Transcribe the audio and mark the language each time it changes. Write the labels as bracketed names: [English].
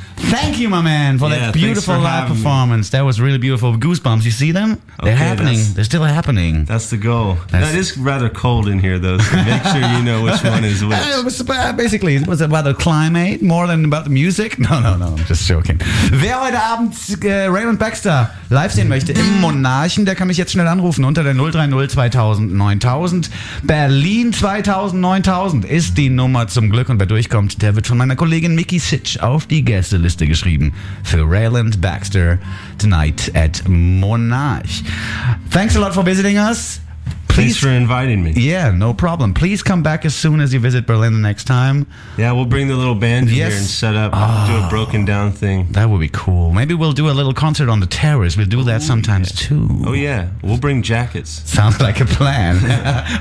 [English] Thank you, my man, for that beautiful live performance. That was really beautiful. Goosebumps. You see them? They're happening. They're still happening. That's the goal. That is rather cold in here, though, so make sure you know which one is which. Basically, was it about the climate more than about the music? No, I'm just joking. [German] Wer heute Abend Raymond Baxter live sehen möchte im Monarchen, der kann mich jetzt schnell anrufen unter der 030 2000 9000. Berlin 2000 9000 ist die Nummer zum Glück. Und wer durchkommt, der wird von meiner Kollegin Mickey Sitch auf die Gästeliste geschrieben für Raymond Baxter [English] tonight at Monarch. Thanks a lot for visiting us. Please, thanks for inviting me. Yeah, no problem. Please come back as soon as you visit Berlin the next time. Yeah, we'll bring the little band here and set up, do a broken down thing. That would be cool. Maybe we'll do a little concert on the terrace. We'll do that sometimes too. Oh yeah, we'll bring jackets. Sounds like a plan.